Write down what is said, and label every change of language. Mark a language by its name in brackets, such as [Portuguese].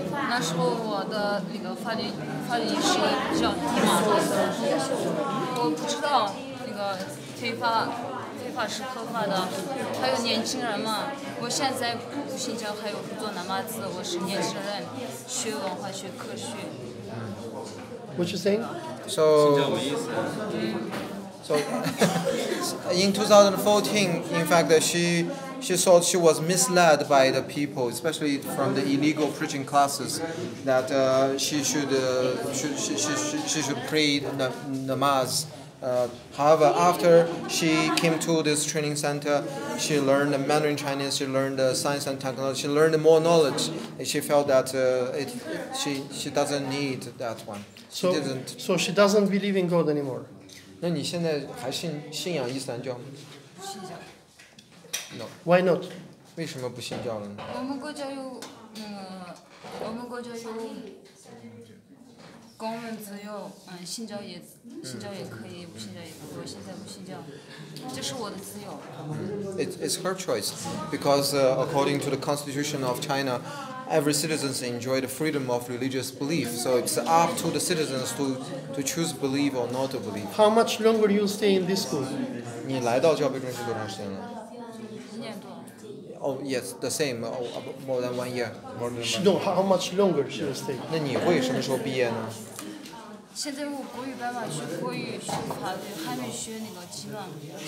[Chinese] 那时候我的那个法律是比较低嘛，我不知道那个非法是合法的，还有年轻人嘛，我现在新疆还有不做南马子，我是念书人，学文化学科学。 [English] What you saying? So, so in 2014, in fact, she thought she was misled by the people, especially from the illegal preaching classes, that she should pray namaz. However, after she came to this training center, she learned Mandarin Chinese, she learned science and technology, she learned more knowledge, and she felt that she doesn't need that one. So she doesn't believe in God anymore. [Chinese] 那你现在还信仰伊斯兰教吗？信教。 [English] No. Why not? [Chinese] 为什么不信教了呢？我们国家有公民自由，信教也可以，不信教也可以。我现在不信教，这是我的自由。 [English] It's her choice, because according to the Constitution of China. Every citizen enjoys the freedom of religious belief, so it's up to the citizens to choose to believe or not to believe. How much longer you stay in this school? [Chinese] 你来到教培中心多长时间了？一年多。 [English] Oh yes, the same. More than 1 year. More than 1 year. No, how much longer she will stay? [Chinese] 那你会什么时候毕业呢？现在我国语班嘛，学国语、学法律，还没学那个技能。